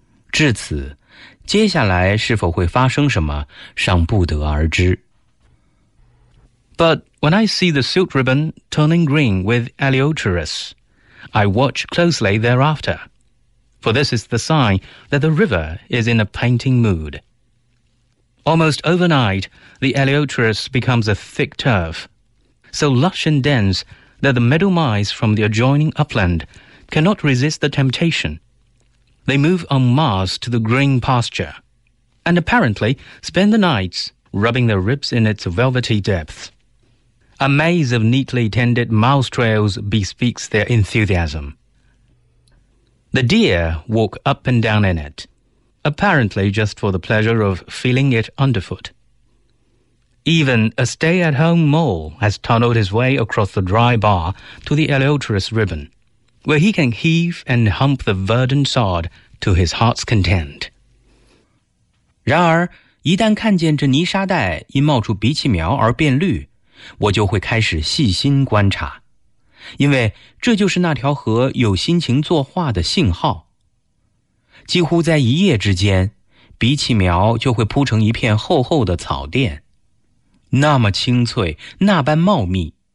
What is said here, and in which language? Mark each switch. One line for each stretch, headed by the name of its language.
Chinese: 至此，接下来是否会发生什么尚不得而知。
English: But when I see the silk ribbon turning green with Eleuterus, I watch closely thereafter, for this is the sign that the river is in a painting mood. Almost overnight, the Eleuterus becomes a thick turf, so lush and dense that the meadow mice from the adjoining upland cannot resist the temptation. They move en masse to the green pasture, and apparently spend the nights rubbing their ribs in its velvety depths. A maze of neatly tended mouse trails bespeaks their enthusiasm. The deer walk up and down in it, apparently just for the pleasure of feeling it underfoot. Even a stay-at-home mole has tunneled his way across the dry bar to the Eleuterus ribbon. Where he can heave and hump the verdant sod to his heart's content.
Chinese: 然而，一旦看见这泥沙带因冒出鼻涕苗而变绿，我就会开始细心观察，因为这就是那条河有心情作画的信号。几乎在一夜之间，鼻涕苗就会铺成一片厚厚的草垫，那么清脆，那般茂密。